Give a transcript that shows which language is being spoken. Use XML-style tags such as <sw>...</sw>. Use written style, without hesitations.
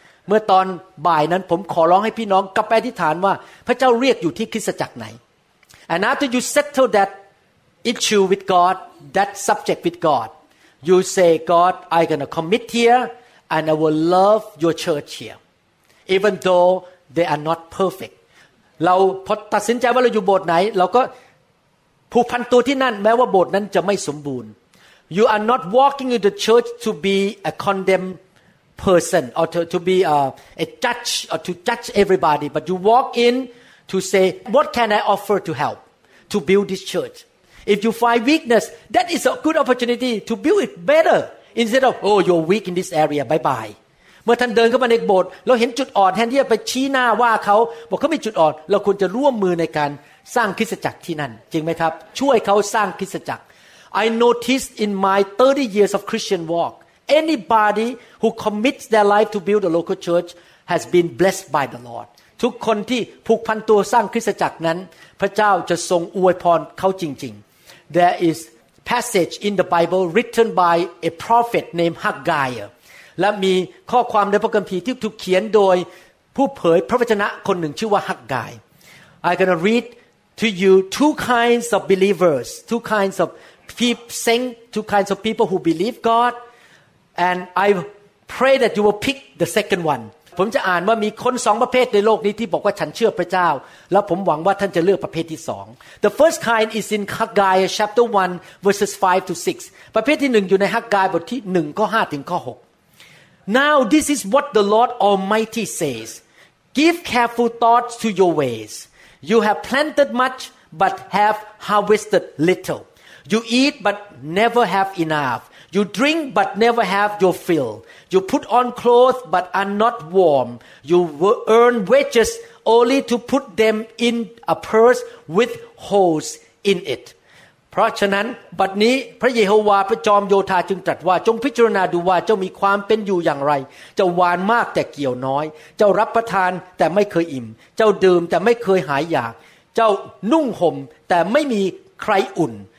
<th>เมื่อตอนบ่ายนั้นผมขอร้องให้พี่น้องกลับไปอธิษฐานว่าพระเจ้าเรียกอยู่ที่คริสตจักรไหน</th> <en>And after you settle that issue with God that subject with God you say God I'm going to commit hereAnd I will love your church here, even though they are not perfect.</en> <th>เราพอตัดสินใจว่าเราอยู่โบสถ์ไหนเราก็ผูกพันตัวที่นั่นแม้ว่าโบสถ์นั้นจะไม่สมบูรณ์</th> <en>You are not walking into church to be a condemned person or to be a judge or to judge everybody, but you walk in to say, "What can I offer to help to build this church?" If you find weakness, that is a good opportunity to build it better. Instead of oh you're weak in this area bye bye</en> <th>เมื่อท่านเดินเข้ามาในโบสถ์แล้วเห็นจุดอ่อนแทนที่จะไปชี้หน้าว่าเขาบอกเขามีจุดอ่อนเราควรจะร่วมมือในการสร้างคริสตจักรที่นั่นจริงไหมครับช่วยเขาสร้างคริสตจักร</th> <en>I noticed in my 30 years of Christian walk anybody who commits their life to build a local church has been blessed by the Lord</en> <th>ทุกคนที่ผูกพันตัวสร้างคริสตจักรนั้นพระเจ้าจะทรงอวยพรเขาจริง</th> <en>ๆ There isPassage in the Bible written by a prophet named Haggai.</en> <th>และมีข้อความในพระคัมภีร์ที่ถูกเขียนโดยผู้เผยพระวจนะคนหนึ่งชื่อว่า Haggai.</th> <en>I'm going to read to you two kinds of believers, two kinds of people, two kinds of people who believe God. And I pray that you will pick the second one.</en> <th>ผมจะอ่านว่ามีคนสองประเภทในโลกนี้ที่บอกว่าฉันเชื่อพระเจ้าแล้วผมหวังว่าท่านจะเลือกประเภทที่สอง</th> <en>The first kind is in Haggai chapter 1 verses 5 to 6</en> <th>ประเภทที่หนึ่งอยู่ในฮักกายบทที่หนึ่งข้อห้าถึงข้อหก</th> <en>Now this is what the Lord Almighty says Give careful thought to your ways You have planted much but have harvested little You eat but never have enoughYou drink but never have your fill. You put on clothes but are not warm. You earn wages only to put them in a purse with holes in it.</en> <th>พราะฉะนั้นบัดนี้พระเยโฮวาห์พระจอมโยธาจึงตรัสว่าจงพิจารณาดูว่าเจ้ามีความเป็นอยู่อย่างไรเจ้าหวานมากแต่เกี่ยวน้อยเจ้ารับประทานแต่ไม่เคยอิ่มเจ้าดื่มแต่ไม่เคยหายอยากเจ้านุ่งห่มแต่ไม่มีใครอุ่น</th>